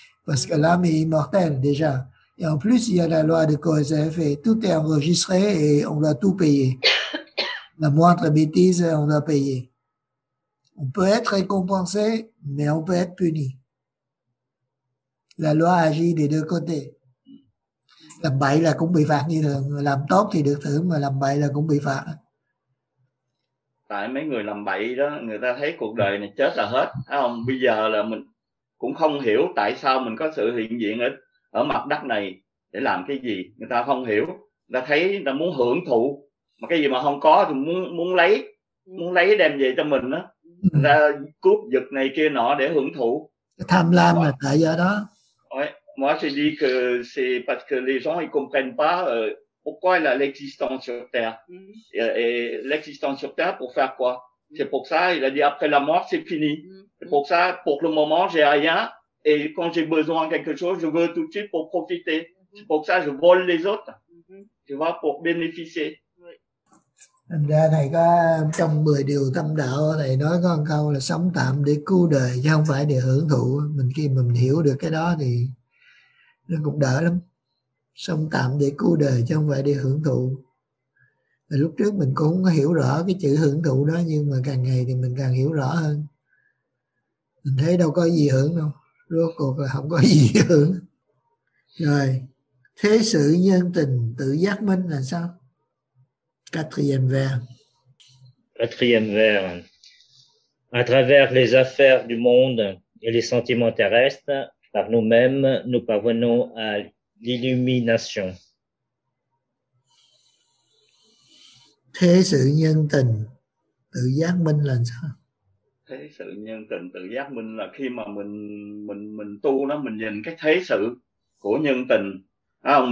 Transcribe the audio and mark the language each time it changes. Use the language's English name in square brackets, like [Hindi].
[French] Parce que l'âme est immortelle, déjà. Et en plus, il y a la loi de cause à effet. Tout est enregistré et on doit tout payer. La moindre bêtise, on doit payer. On peut être récompensé, mais on peut être puni. La loi agit des deux côtés. [Vietnamese] Làm bậy là cũng bị phạt như thường, làm tốt thì được thưởng mà làm bậy là cũng bị phạt. Tại mấy người làm bậy đó, người ta thấy cuộc đời này chết là hết, thấy không? Bây giờ là mình cũng không hiểu tại sao mình có sự hiện diện ở ở mặt đất này để làm cái gì, người ta không hiểu. Người ta thấy người ta muốn hưởng thụ, mà cái gì mà không có thì muốn lấy đem về cho mình đó. Người ta cướp giật này kia nọ để hưởng thụ. Tham lam là tại do đó. [French] Moi je dis que c'est parce que les gens ils comprennent pas pourquoi elle a l'existence sur terre. Et l'existence sur terre pour faire quoi? C'est pour ça, il a dit après la mort c'est fini. C'est pour ça, pour le moment j'ai rien et quand j'ai besoin de quelque chose, je veux tout de suite pour profiter. C'est pour ça je vole les autres. Tu vois, pour bénéficier. [Vietnamese] Thành ra thầy có trong 10 điều tâm đạo thầy nói có một câu là sống tạm để cứu đời chứ không phải để hưởng thụ. Mình khi mình hiểu được cái đó thì nó cũng đỡ lắm. Sống tạm để cứu đời chứ không phải để hưởng thụ. Thì lúc trước mình cũng không hiểu rõ cái chữ hưởng thụ đó, nhưng mà càng ngày thì mình càng hiểu rõ hơn. Mình thấy đâu có gì hưởng đâu, rốt cuộc là không có gì hưởng. Rồi, thế sự nhân tình tự giác minh là sao? [French] Quatrième vers. À travers les affaires du monde et les sentiments terrestres, par nous-mêmes, nous parvenons à l'illumination. [Vietnamese] Thế sự nhân tình tự giác minh là sao? Thế sự nhân tình tự giác minh là khi mà mình tu nó, mình nhìn cái thế sự của nhân tình, không?